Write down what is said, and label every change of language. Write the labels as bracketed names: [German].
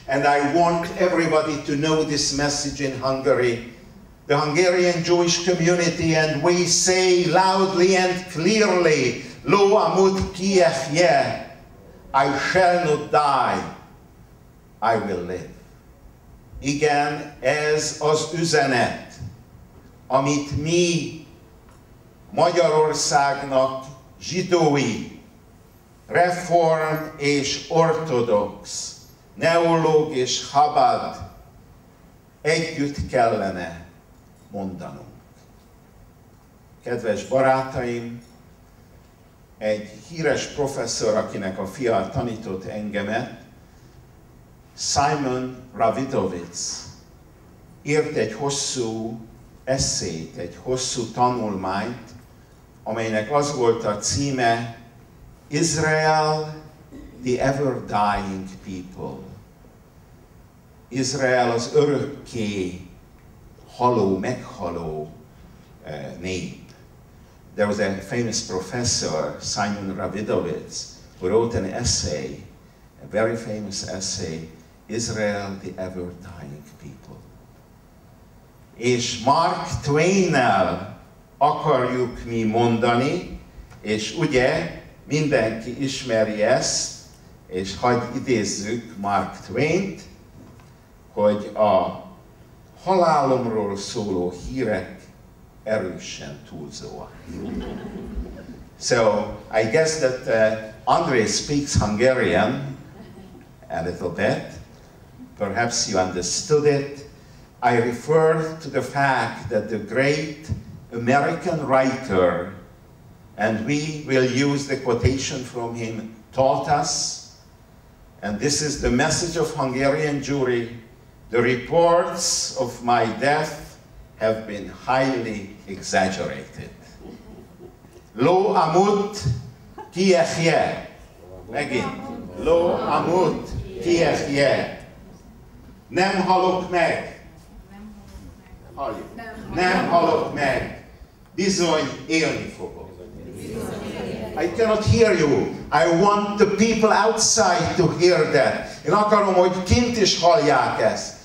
[English] And I want everybody to know this message in Hungary. The Hungarian Jewish community, and we say loudly and clearly, [Hebrew] Lo amut. Ki echje. [English] I shall not die, I will live. [Hungarian] Igen, ez az üzenet, amit mi Magyarországnak zsidói, reform és ortodox, neológ és habad együtt kellene mondanunk. Kedves barátaim, egy híres professzor, akinek a fia tanított engemet, Simon Ravidovitz írt egy hosszú eszét, egy hosszú tanulmányt, amelynek az volt a címe [English] Israel, the ever dying people. [Hungarian] Izrael az örökké haló, meghaló nép. [English] There was a famous professor, Simon Ravidovitz, who wrote an essay, a very famous essay, Israel, the ever-dying people. [Hungarian] És Mark Twain-nel akarjuk mi mondani, és ugye mindenki ismeri ezt, és hagy idézzük Mark Twain-t, hogy a halálomról szóló hírek erősen túlzóan. [English] So, I guess that Andre speaks Hungarian a little bit. Perhaps you understood it. I refer to the fact that the great American writer, and we will use the quotation from him, taught us, and this is the message of Hungarian Jewry, the reports of my death have been highly exaggerated. [Hebrew] Lo amut ki ehye. [Hungarian] Megint. [Hebrew] Lo amut ki ehye. [Hungarian] Nem halok meg. Nem halok meg. Bizony élni fogok. [English] I cannot hear you. I want the people outside to hear that. [Hungarian] Én akarom, hogy kint is hallják ezt.